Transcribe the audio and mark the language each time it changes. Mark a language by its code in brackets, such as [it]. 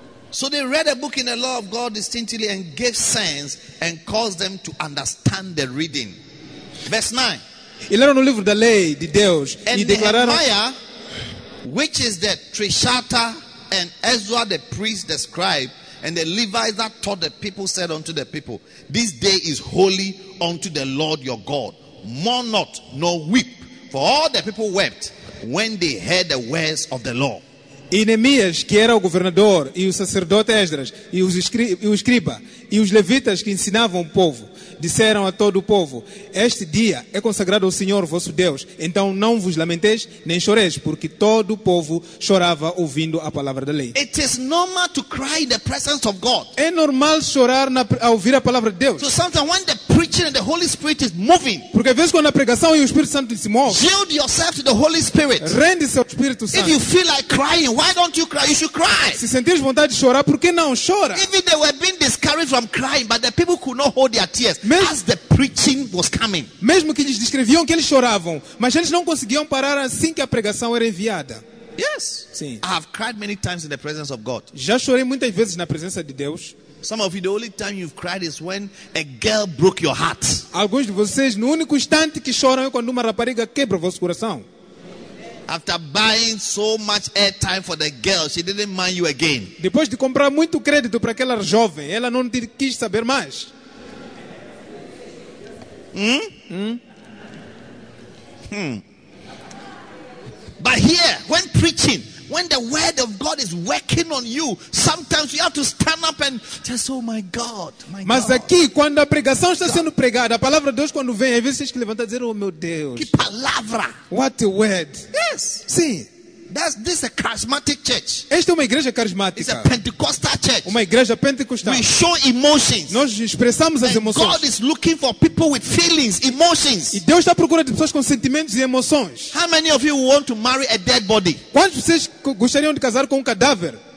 [en] So they read a book in the law of God distinctly and gave sense and caused them to understand the reading. Verse 9. [pt] E leram o livro da lei de Deus e declararam. [en] And Nehemiah, which is the Treshata, and Ezra the priest, the scribe, and the Levites that taught the people, said unto the people, this day is holy unto the Lord your God. Mourn not, nor weep, for all the people wept when they heard the words of the law. [pt] E Neemias, que era o governador, e o sacerdote Esdras, e o escriba, e os levitas que ensinavam o povo, disseram a todo o povo: este dia é consagrado ao Senhor vosso Deus, então não vos lamenteis nem choreis, porque todo o povo chorava ouvindo a palavra da lei. [en] It is normal to cry in the presence of God. [pt] É normal chorar ao ouvir a palavra de Deus. [en] So sometimes when the preaching and the Holy Spirit is moving, [pt] porque às vezes quando a pregação e o Espírito Santo se move, [en] yield yourself to the Holy Spirit. [pt] Rende-se ao Espírito Santo. [en] If you feel like crying, why don't you cry? You should cry. [pt] Se sentires vontade de chorar, por que não chora? [en] Even they were being discouraged from crying, but the people could not hold their tears as the preaching was coming. [pt] Mesmo que eles descreviam que eles choravam, mas eles não conseguiam parar assim que a pregação era enviada. [en] Yes. [pt] Sim. [en] I have cried many times in the presence of God. [pt] Já chorei muitas vezes na presença de Deus. [en] Some of you, the only time you've cried is when a girl broke your heart. [pt] Alguns de vocês, no único instante que choram é quando uma rapariga quebra o vosso coração. [en] After buying so much airtime for the girl, she didn't mind you again. [pt] Depois de comprar muito crédito para aquela jovem, ela não quis saber mais. [en] But here, when preaching, when the word of God is working on you, sometimes you have to stand up and just, oh my God, my [pt] Mas Mas aqui, quando a pregação está sendo pregada, a palavra de Deus quando vem, às vezes tem que levantar e dizer, oh meu Deus. Que palavra. [en] What a word. Yes. [pt] Sim. [en] This is a charismatic church. [pt] Esta é uma igreja carismática. [en] It's a Pentecostal church. [pt] Uma igreja pentecostal. [en] We show emotions. [pt] Nós expressamos [en] and [pt] as emoções. [en] God is looking for people with feelings, emotions. [pt] E Deus está procurando pessoas com sentimentos e emoções. [en] How many of you want to marry a dead body? [pt] Quantos de vocês gostariam de casar com um cadáver?